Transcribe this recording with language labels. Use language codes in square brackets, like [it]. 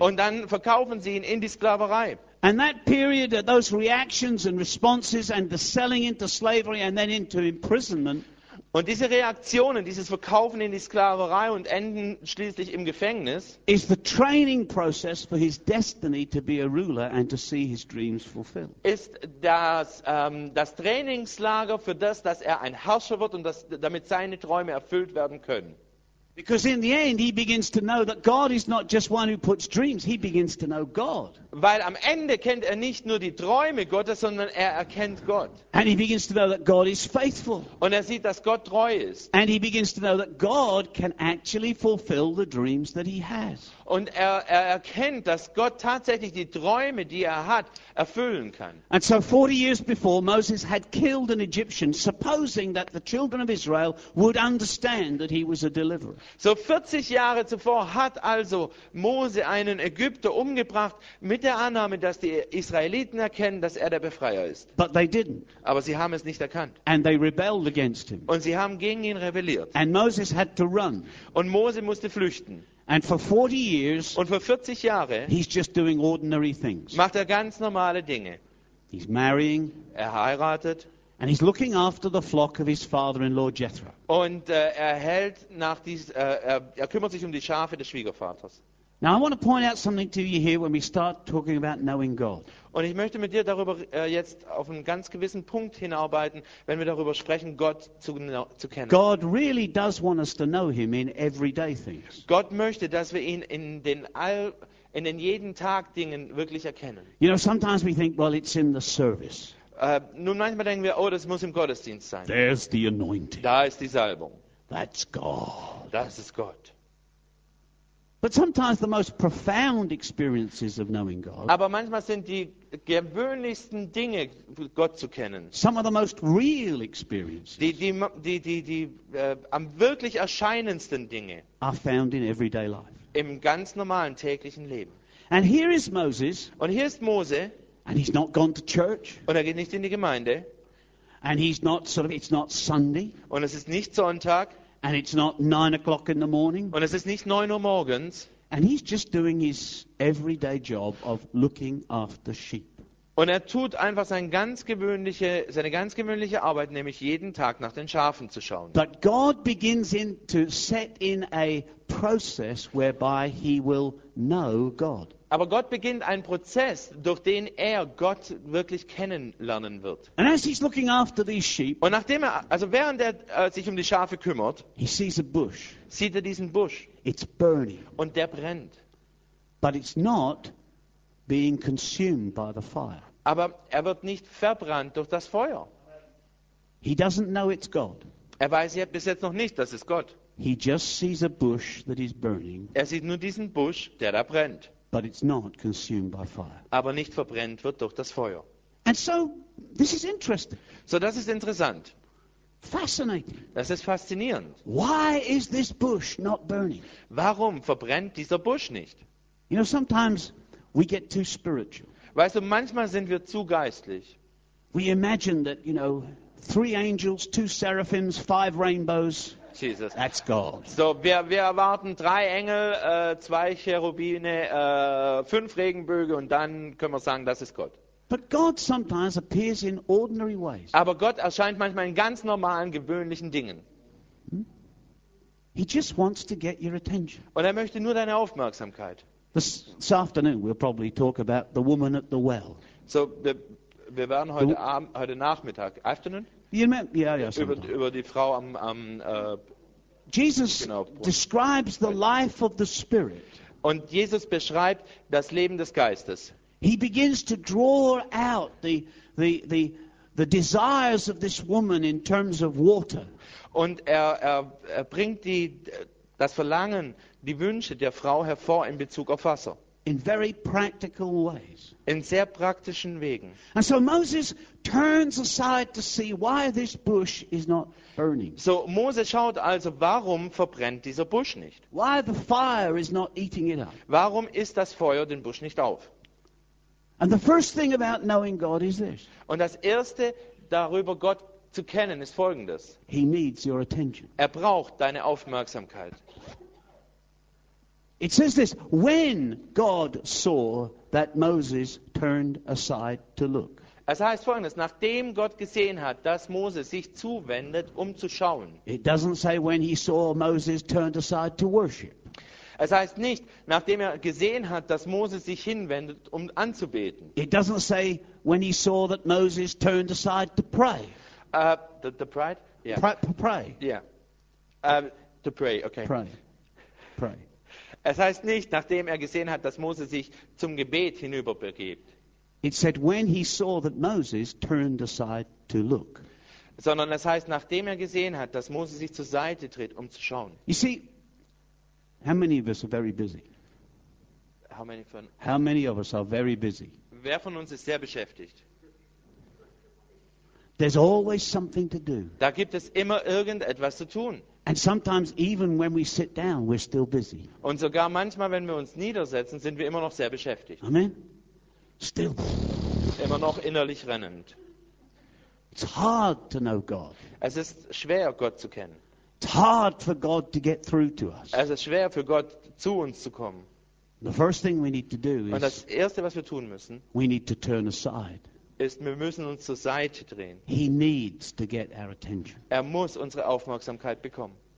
[de] Und dann verkaufen sie ihn in die Sklaverei. [en] And that period of those reactions and responses and the selling into slavery and then into imprisonment. [de] Und diese Reaktionen, dieses Verkaufen in die Sklaverei und enden schließlich im Gefängnis, [en] is the training process for his destiny to be a ruler and to see his dreams fulfilled. [de] Ist das Trainingslager für das, dass er ein Herrscher wird und damit seine Träume erfüllt werden können. [en] Because in the end he begins to know that God is not just one who puts dreams, he begins to know God. [de] Weil am Ende kennt er nicht nur die Träume Gottes, sondern er erkennt Gott. [en] And he begins to know that God is faithful. [de] Und er sieht, dass Gott treu ist. [en] And he begins to know that God can actually fulfill the dreams that he has. [de] Und er erkennt, dass Gott tatsächlich die Träume, die er hat, erfüllen kann. [en] And so 40 years before, Moses had killed an Egyptian, supposing that the children of Israel would understand that he was a deliverer. [de] So 40 Jahre zuvor hat also Mose einen Ägypter umgebracht, mit der Annahme, dass die Israeliten erkennen, dass er der Befreier ist. [en] But they didn't. [de] Aber sie haben es nicht erkannt. [en] And they rebelled against him. [de] Und sie haben gegen ihn rebelliert. [en] And Moses had to run. [de] Und Mose musste flüchten. [en] And for 40 years, [de] und für 40 Jahre, [en] he's just doing ordinary things. [de] Macht er ganz normale Dinge. [en] He's marrying. [de] Er heiratet. [en] And he's looking after the flock of his father-in-law Jethro. [de] Und er kümmert sich um die Schafe des Schwiegervaters. [en] Now I want to point out something to you here when we start talking about knowing God. [de] Und ich möchte mit dir darüber jetzt auf einen ganz gewissen Punkt hinarbeiten, wenn wir darüber sprechen, Gott zu kennen. [en] God really does want us to know him in everyday things. [de] Gott möchte, dass wir ihn in den jeden Tag Dingen wirklich erkennen. [en] You know, sometimes we think, well, it's in the service. [de] Nun manchmal denken wir, oh, das muss im Gottesdienst sein. [en] There's the anointing. [de] Da ist die Salbung. [en] That's God. [de] Das ist Gott. [en] But sometimes the most profound experiences of knowing God. [de] Aber manchmal sind die gewöhnlichsten Dinge, Gott zu kennen. [en] Some of the most real experiences. [de] Die am wirklich erscheinendsten Dinge. [en] Are found in everyday life. [de] Im ganz normalen täglichen Leben. [en] And here is Moses. [de] Und hier ist Mose. [en] And he's not gone to church. [de] Und er geht nicht in die Gemeinde. [en] And he's not sort of. It's not Sunday. [de] Und es ist nicht Sonntag. [en] And it's not 9 o'clock in the morning. [de] Und es ist nicht 9 Uhr morgens. [en] And he's just doing his everyday job of looking after sheep. [de] Und er tut einfach seine ganz gewöhnliche Arbeit, nämlich jeden Tag nach den Schafen zu schauen. [en] But God begins to set in a process whereby he will know God. [de] Aber Gott beginnt einen Prozess, durch den er Gott wirklich kennenlernen wird. [en] And as he's looking after these sheep, [de] und nachdem er, also während er sich um die Schafe kümmert, [en] he sees a bush. [de] Sieht er diesen Busch. [en] It's burning. [de] Und der brennt. [en] But it's not being consumed by the fire. [de] Aber er wird nicht verbrannt durch das Feuer. [en] He doesn't know it's God. [de] Er weiß ja bis jetzt noch nicht, dass es Gott. [en] He just sees a bush that is burning. [de] Er sieht nur diesen Busch, der da brennt. [en] But it's not consumed by fire. [de] Aber nicht verbrennt wird durch das Feuer. [en] And so, this is interesting. [de] So das ist interessant. [en] Fascinating. [de] Das ist faszinierend. [en] Why is this bush not burning? [de] Warum verbrennt dieser Busch nicht? [en] You know, sometimes we get too spiritual. [de] Weißt du, manchmal sind wir zu geistlich. [en] We imagine that, you know, 3 angels, 2 seraphims, 5 rainbows. Jesus. That's God. [de] So, wir erwarten 3 Engel, 2 Cherubine, 5 Regenbögen und dann können wir sagen, das ist Gott. [en] But God sometimes appears in ordinary ways. [de] Aber Gott erscheint manchmal in ganz normalen, gewöhnlichen Dingen. [en] He just wants to get your attention. [de] Und er möchte nur deine Aufmerksamkeit. [en] This afternoon we'll probably talk about the woman at the well. [de] So, wir werden heute Nachmittag, afternoon? Über die Frau am [en] Jesus describes the life of the Spirit. [de] Und Jesus beschreibt das Leben des Geistes. [en] He begins to draw out the desires of this woman in terms of water. [de] Und er bringt das Verlangen, die Wünsche der Frau hervor in Bezug auf Wasser. [en] In very practical ways. [de] In sehr praktischen Wegen. [en] And so Moses turns aside to see why this bush is not burning. [de] So Moses schaut also, warum verbrennt dieser Busch nicht? [en] Why the fire is not eating it up? [de] Warum ist das Feuer den Busch nicht auf? [en] And the first thing about knowing God is this. [de] Und das erste darüber Gott zu kennen ist folgendes. [en] He needs your attention. [de] Er braucht deine Aufmerksamkeit. [en] It says this, when God saw that Moses turned aside to look. [de] Es heißt folgendes, nachdem Gott gesehen hat, dass Moses sich zuwendet, um zu schauen. [en] It doesn't say when he saw Moses turned aside to worship. [de] Es heißt nicht, nachdem er gesehen hat, dass Moses sich hinwendet, um anzubeten. [en] It doesn't say when he saw that Moses turned aside to pray. The pride? Yeah. Pray. Yeah. To pray, okay. Pray. [de] Es heißt nicht, nachdem er gesehen hat, dass Mose sich zum Gebet hinüberbegibt. [en] It said when he saw that Moses turned aside to look. [de] Sondern es heißt, nachdem er gesehen hat, dass Mose sich zur Seite dreht, um zu schauen. [en] You see, how many of us are very busy? How many of us are very busy? [de] Wer von uns ist sehr beschäftigt? [en] There's always something to do. [de] Da gibt es immer irgendetwas zu tun. [en] And sometimes even when we sit down, we're still busy. [de] Und sogar manchmal, wenn wir uns niedersetzen, sind wir immer noch sehr beschäftigt. [en] Amen. Still. [de] Immer noch innerlich rennend. [en] It's hard to know God. [de] Es ist schwer, Gott zu kennen. [en] It's hard for God to get through to us. [de] Es ist schwer für Gott zu uns zu kommen. [en] The first thing we need to do is. [de] Und das erste, was wir tun müssen. [en] We need to turn aside. [de] Ist, wir müssen uns zur Seite drehen. [en] He needs to get our attention. [de] Er muss unsere Aufmerksamkeit bekommen.